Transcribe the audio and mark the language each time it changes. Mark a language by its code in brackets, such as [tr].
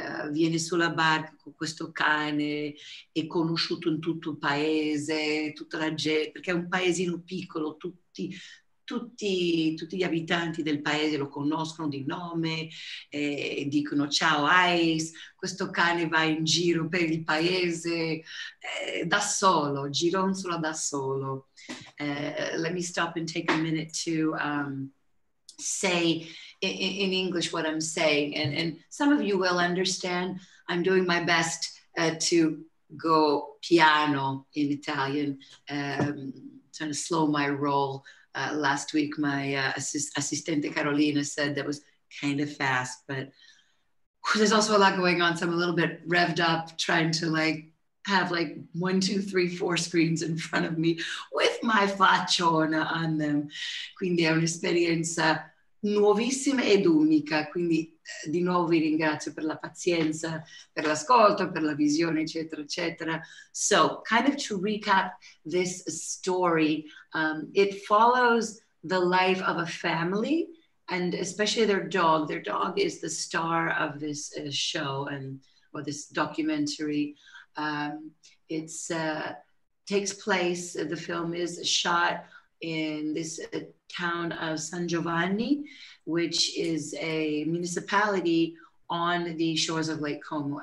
[it] viene sulla barca con questo cane, è conosciuto in tutto il paese, tutta la gente, perché è un paesino piccolo, tutti gli abitanti del paese lo conoscono di nome, dicono ciao Ice, questo cane va in giro per il paese da solo, gironzola da solo. [en] Let me stop and take a minute to say in English what I'm saying, and some of you will understand. I'm doing my best to go piano in Italian, trying to slow my roll. Last week, my assistente Carolina said that was kind of fast, but there's also a lot going on, so I'm a little bit revved up, trying to like have like 1, 2, 3, 4 screens in front of me with my facciona on them. [it] Quindi è un'esperienza nuovissima ed unica. Quindi di nuovo vi ringrazio per la pazienza, per l'ascolto, per la visione, eccetera, eccetera. [en] So, kind of to recap this story, it follows the life of a family and especially their dog. Their dog is the star of this show and or this documentary. It's takes place, the film is shot in this town of San Giovanni, which is a municipality on the shores of Lake Como.